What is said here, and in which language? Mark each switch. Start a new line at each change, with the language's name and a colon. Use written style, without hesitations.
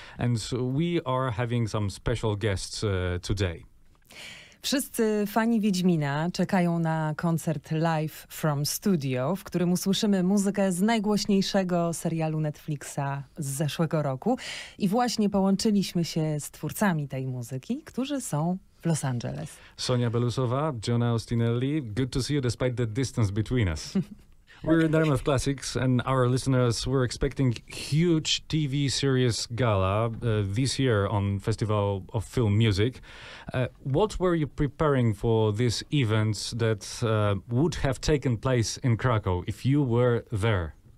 English: And we are having some special guests today.
Polish: Wszyscy fani Wiedźmina czekają na koncert Live from Studio, w którym usłyszymy muzykę z najgłośniejszego serialu Netflixa z zeszłego roku. I właśnie połączyliśmy się z twórcami tej muzyki, którzy są w Los Angeles.
English: Sonya Belousova, Giona Ostinelli, good to see you despite the distance between us. We're in RMF Classics and our listeners were expecting huge TV series gala this year on Festival of Film Music. What were you preparing for this event that would have taken place in Krakow if you were there?